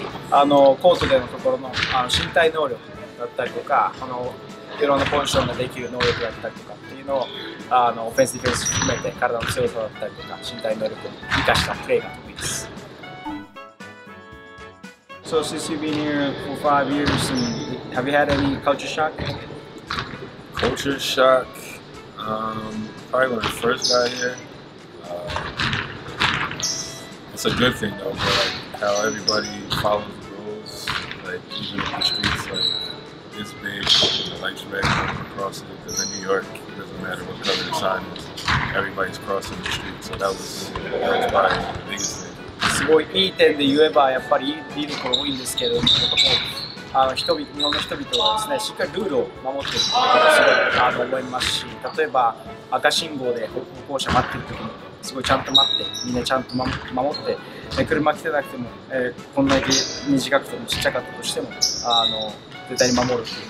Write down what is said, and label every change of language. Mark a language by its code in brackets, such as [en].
[ja] あのコートでのところ の, あの身体能力だったりとか、あのいろんなポジションができる能力だったりとかっていうのを、あのオフェンスディフェンス含めて体の強さだったりとか身体能力を生かしたプレーが得意です。 [en] So since you've been here for 5 years, and have you had any culture shock? Culture shock. Probably when I first got here, it's a good thing though, but like how everybody follows the rules, like even the streets, like this big, the lights red across it, because in New York, it doesn't matter what color the sign is, everybody's crossing the street, so that was probably the biggest thing. [ja] すごいいい点で言えばやっぱりいいところ多いんですけど、あの人々、日本の人々はですね、しっかりルールを守っているということがすごいあの思いますし、例えば赤信号で歩行者待っているときもすごいちゃんと待って、みんなちゃんと守って、車来てなくても、こんなに短くても小さかったとしても、あの絶対に守る。